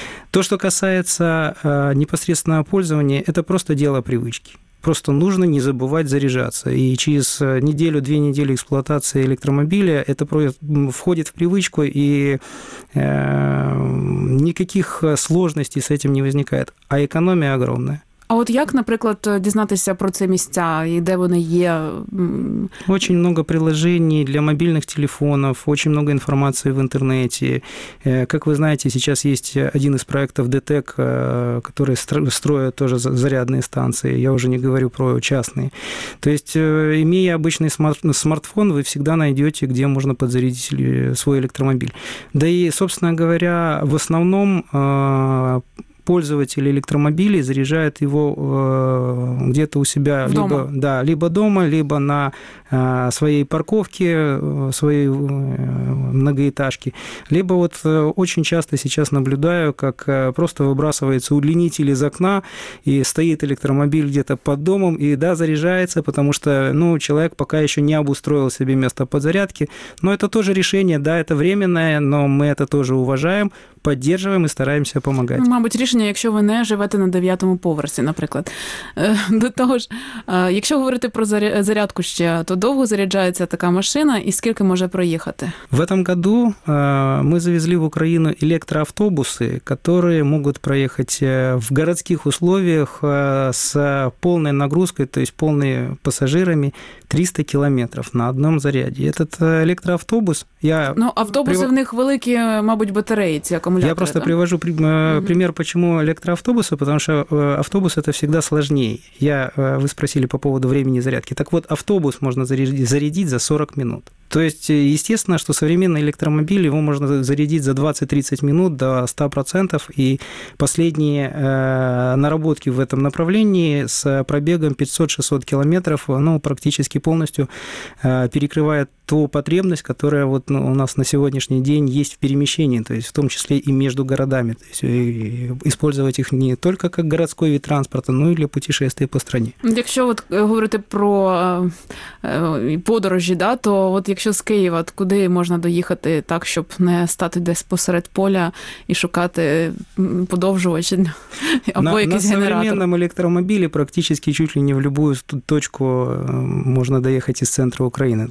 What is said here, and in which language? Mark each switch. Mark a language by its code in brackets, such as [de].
[ru] То, что касается непосредственного пользования, это просто дело привычки. Просто нужно не забывать заряжаться. И через неделю-две недели эксплуатации электромобиля это входит в привычку, и никаких сложностей с этим не возникает. А экономия огромная. [uk] А от як, наприклад, дізнатися про ці місця і де вони є? [ru] Очень много приложений для мобильных телефонов, очень много информации в интернете. Как вы знаете, сейчас есть один из проектов ДТЕК, который строит тоже зарядные станции. Я уже не говорю про частные. То есть, имея обычный смартфон, вы всегда найдете, где можно подзарядить свой электромобиль. Да и, собственно говоря, в основном пользователи электромобилей заряжают его где-то у себя дома. Либо дома, либо на своей парковке, своей многоэтажке. Либо вот очень часто сейчас наблюдаю, как просто выбрасывается удлинитель из окна, и стоит электромобиль где-то под домом, и да, заряжается, потому что человек пока еще не обустроил себе место подзарядки. Но это тоже решение, да, это временное, но мы это тоже уважаем, поддерживаем и стараемся помогать. [uk] Мабуть, рішення, якщо ви не живете на 9-му поверсі, наприклад. До того ж, якщо говорити про зарядку ще, то довго заряджається така машина і скільки може проїхати? [ru] В этом году мы завезли в Украину электроавтобусы, которые могут проехать в городских условиях с полной нагрузкой, то есть полными пассажирами, 300 километров на одном заряде. Этот электроавтобус... Автобусы [uk] в них великі, мабуть, батареи, ці акумулятори. [ru] Я просто привожу пример, почему электроавтобусы, потому что автобус – это всегда сложнее. Вы спросили по поводу времени зарядки. Так вот, автобус можно зарядить за 40 минут. То есть, естественно, что современный электромобиль, его можно зарядить за 20-30 минут до 100%, и последние наработки в этом направлении с пробегом 500-600 километров практически полностью перекрывает ту потребность, которая у нас на сегодняшний день есть в перемещении, то есть в том числе и между городами, то есть использовать их не только как городской вид транспорта, но и для путешествий по стране. Если говорить про [uk] подорожі, то якщо з Києва, куди можна доїхати так, щоб не стати десь посеред поля і шукати подовжувач або якийсь генератор? [ru] На современном электромобиле практически чуть ли не в любую точку [uk] можна доїхати з центру України.